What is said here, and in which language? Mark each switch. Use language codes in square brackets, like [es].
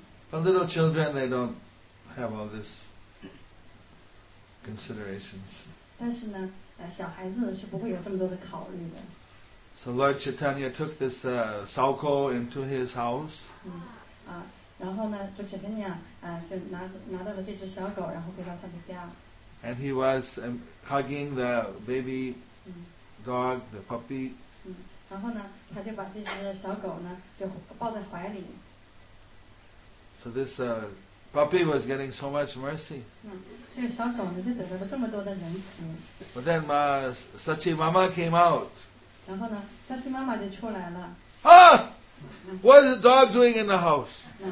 [en] But little children, they don't have all these considerations. So Lord Chaitanya took this Sauko into his house. [zh] 然后呢，就陈天亮啊，就拿到了这只小狗，然后回到他的家。 [en] And he was hugging the baby dog, the puppy. [zh] 然后呢，他就把这只小狗呢，就抱在怀里。 [en] So this puppy was getting so much mercy. [zh] 这个小狗呢，就得到了这么多的仁慈。 [en] But then Sachi Mama came out. [zh] 然后呢，沙琪妈妈就出来了。 [en] What is the dog doing in the house?